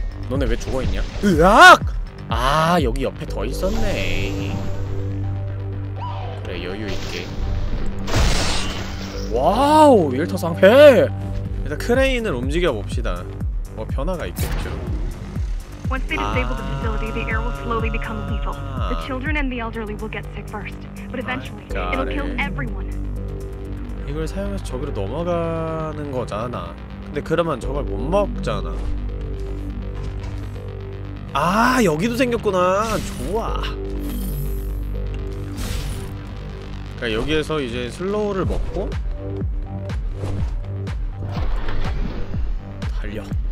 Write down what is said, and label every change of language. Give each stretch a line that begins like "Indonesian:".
Korean: 너네 왜 죽어있냐? 으악! 아, 여기 옆에 더 있었네. 그래, 여유있게. 와우, 일타 상패! 일단 크레인을 움직여봅시다. 뭐 변화가 있겠죠.
English: Once they disable the facility, the air will slowly become lethal. The children and the elderly will get sick first, but eventually it'll kill everyone.
Korean: 이걸 사용해서 저기로 넘어가는 거잖아. 근데 그러면 저걸 못 먹잖아. 아, 여기도 생겼구나. 좋아. 그러니까 여기에서 이제 슬로우를 먹고 달려.